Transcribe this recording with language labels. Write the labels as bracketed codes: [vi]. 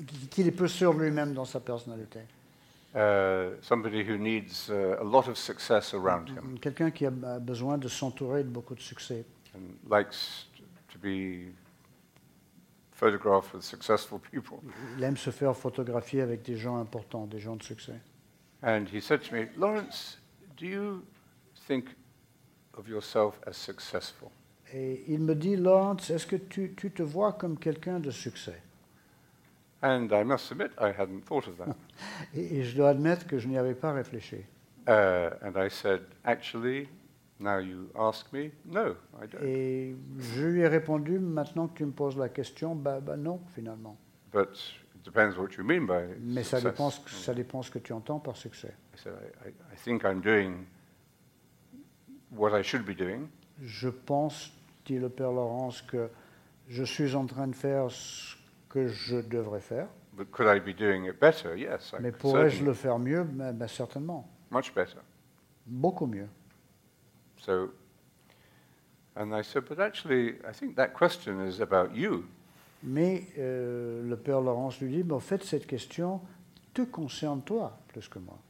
[fr] Qu'il est peu sûr de lui-même dans sa personnalité. [en] Somebody who needs a lot of success around him. [fr] Quelqu'un qui a besoin de s'entourer de beaucoup de succès. [en] And likes to be photographed with successful people. [fr] Il aime se faire photographier avec des gens importants, des gens de succès. [en] And he said to me, Lawrence, do you think of yourself as successful? [fr] Et il me dit, Lawrence, est-ce que tu te vois comme quelqu'un de succès? [en] And I must admit, I hadn't thought of that. [fr] Et je dois admettre que je n'y avais pas réfléchi. [en] And I said, actually, now you ask me, no, I don't. [fr] Et je lui ai répondu, maintenant que tu me poses la question, bah non, finalement. [en] But it depends what you mean by success. [fr] Mais ça dépend ce que tu entends par succès. [en] I said, I think I'm doing what I should be doing. [fr] Je pense, dit le père Laurence, que je suis en train de faire ce que je devrais faire. [en] But could I be doing it better? Yes, [fr] mais pourrais-je le faire mieux? Ben certainement. [en] Much better. [fr] Beaucoup mieux. [en] So, and I said, but actually, I think that question is about you. [fr] Mais le père Laurence lui dit, mais en fait, cette question te concerne toi plus que moi.